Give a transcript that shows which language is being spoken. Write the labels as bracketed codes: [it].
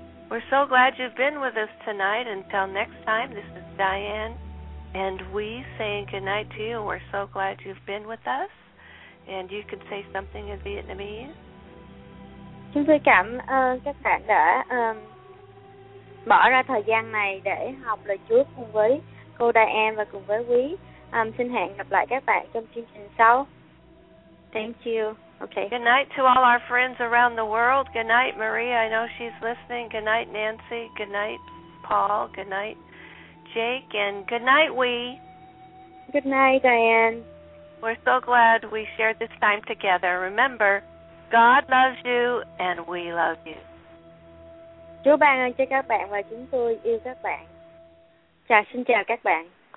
[en] We're so glad you've been with us tonight. Until next time, this is Diane and we saying goodnight to you. We're so glad you've been with us. And you can say something in Vietnamese. [vi] Chúng tôi cảm ơn các bạn đã bỏ ra thời gian này để học lời Chúa cùng với cô Diane và cùng với quý. Xin hẹn gặp lại các bạn trong chương trình sau. [en] Thank you. Okay. Good night to all our friends around the world. Good night, Maria. I know she's listening. Good night, Nancy. Good night, Paul. Good night, Jake. And good night, Wee. Good night, Diane. We're so glad we shared this time together. Remember, God loves you and we love you. [vi] Chúa ban ơn cho các bạn và chúng tôi yêu các bạn. Chào, xin chào các bạn.